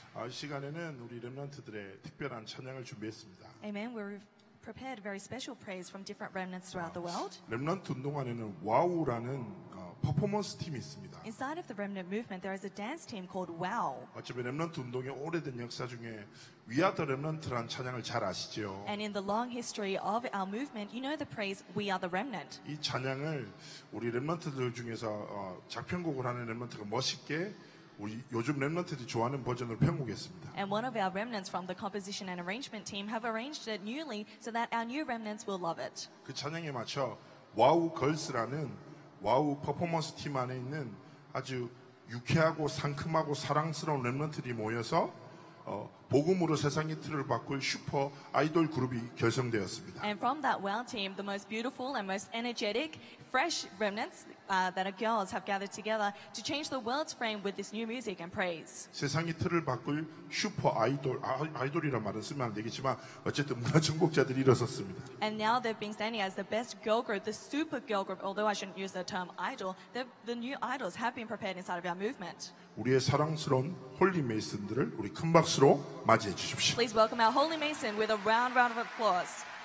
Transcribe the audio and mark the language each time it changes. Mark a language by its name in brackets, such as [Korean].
[Korean] 시간에는 우리 렘넌트들의 특별한 찬양을 준비했습니다. [English] Amen. prepared very special praise from different remnants throughout the world. [Korean] Remnant 운동 안에는 와우라는 퍼포먼스 팀이 있습니다. [English] Inside of the Remnant movement there is a dance team called Wow. [Korean] 어쩌면 Remnant 운동의 오래된 역사 중에 We Are the Remnant라는 찬양을 잘 아시죠? [English] And in the long history of our movement, you know the praise We Are the Remnant. [Korean] 이 찬양을 우리 Remnant들 중에서 작편곡을 하는 Remnant가 멋있게 우리 요즘 렘넌트들이 좋아하는 버전으로 편곡했습니다. [English] And one of our remnants from the composition and arrangement team have arranged it newly so that our new remnants will love it. [Korean] 그 찬양에 맞춰 와우 걸스라는 와우 퍼포먼스 팀 안에 있는 아주 유쾌하고 상큼하고 사랑스러운 렘넌트들이 모여서 복음으로 세상의 틀을 바꿀 슈퍼 아이돌 그룹이 결성되었습니다. [English] And from that well team, the most beautiful and most energetic fresh remnants that are girls have gathered together to change the world's frame with this new music and praise. [Korean] 세상의 틀을 바꿀 슈퍼 아이돌 아이돌이라는 말은 쓰면 안 되겠지만 어쨌든 문화 전공자들이 일어섰습니다. [English] And now they've been standing as the best girl group, the super girl group. Although I shouldn't use the term idol, the new idols have been prepared inside of our movement. [Korean] 우리의 사랑스러운 홀리 메이슨들을 우리 큰 박수로 맞이해 주십시오. [English] Please welcome our Holy Mason with a round of applause.